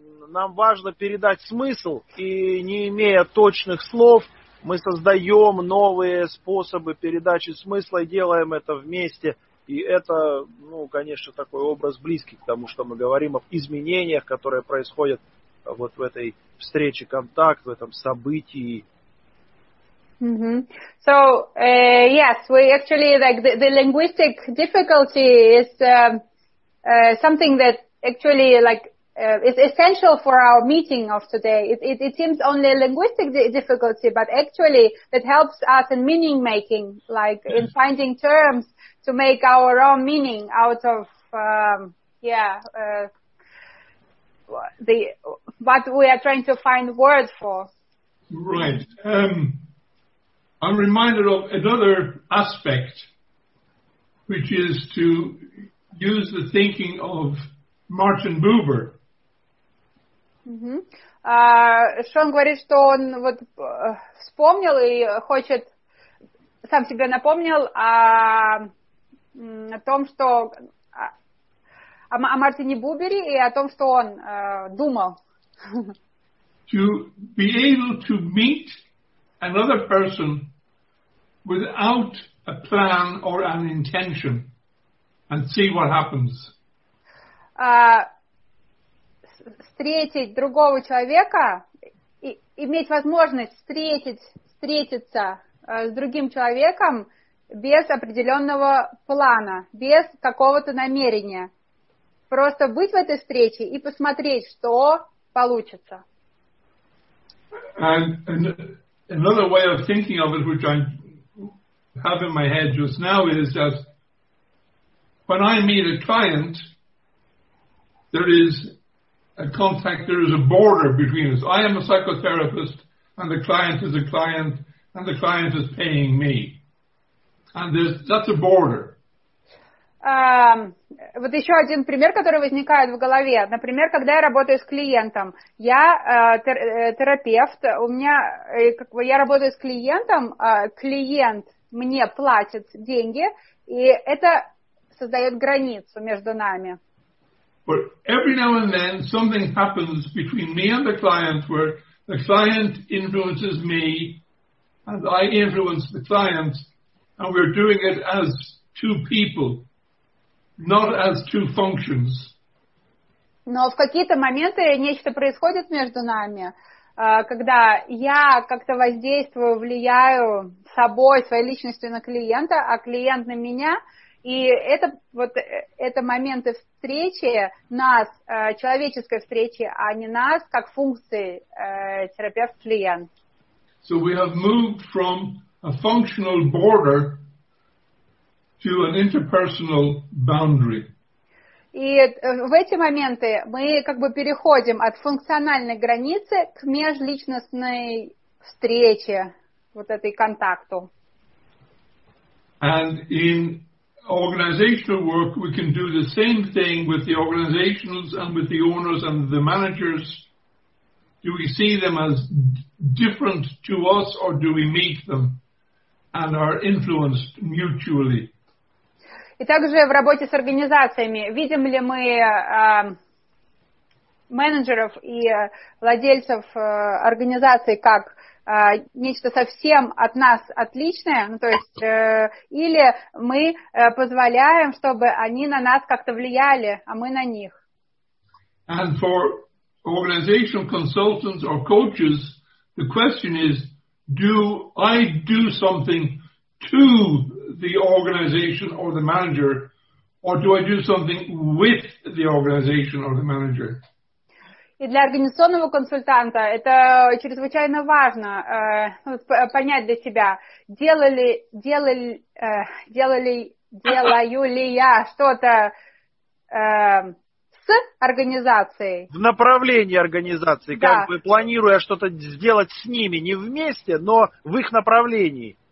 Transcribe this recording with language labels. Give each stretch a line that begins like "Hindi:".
Russian: нам важно передать смысл, и не имея точных слов, мы создаем новые способы передачи смысла и делаем это вместе. И это, ну, конечно, такой образ близкий к тому, что мы говорим об изменениях, которые происходят вот в этой встрече контакт, в этом событии. Mm-hmm.
English: So, yes, we actually, like, the linguistic difficulty is something that actually, like, it's essential for our meeting of today. It seems only a linguistic difficulty, but actually that helps us in meaning making, like in finding terms to make our own meaning out of what we are trying to find words for. Right. I'm reminded of another aspect, which is to use the thinking of Martin Buber.
Russian: Что он говорит, что он вот вспомнил и хочет, сам себе напомнил о том, что о Мартине Бубере и о том, что он думал.
English: To be able to meet another person without a plan or an intention. and see what happens.
Russian: Встретить другого человека, иметь возможность встретиться с другим человеком без определенного плана, без какого-то намерения. Просто быть в этой встрече и посмотреть, что получится.
English: And another way of thinking of it, which I have in my head just now, is that when I meet a client, there is a contact, there is a border between us. I am a psychotherapist, and the client is a client, and the client is paying me. And that's a border.
Russian: Вот еще один пример, который возникает в голове. Например, когда я работаю с клиентом, я терапевт, у меня, я работаю с клиентом, клиент мне платит деньги, и это создает границу между нами.
English: But every now and then something happens between me and the client where the client influences me and I influence the client, and we're doing it as two people, not as two functions.
Russian: Но в какие-то моменты нечто происходит между нами, когда я как-то воздействую, влияю собой, своей личностью на клиента, а клиент на меня. И это вот это моменты встречи нас, человеческой встречи, а не нас как функции терапевт-клиент.
English: So we have moved from a functional border to an interpersonal boundary.
Russian: И в эти моменты мы как бы переходим от функциональной границы к межличностной встрече, вот этой контакту.
English: And in organizational work, we can do the same thing with the organizations and with the owners and the managers. Do we see them as different to us, or do we meet them and are influenced mutually?
Russian: И также в работе с организациями, видим ли мы менеджеров и владельцев организации как нечто совсем от нас отличное, ну, то есть, или мы позволяем, чтобы они на нас как-то влияли, а мы на них.
English: And for organizational consultants or coaches, the question is, do I do something to the organization or the manager, or do I do something with the organization or the manager?
Russian: И для организационного консультанта это чрезвычайно важно понять для себя, делаю ли я что-то с организацией. В направлении организации, да. Как бы планируя что-то сделать с ними, не вместе, но в их направлении.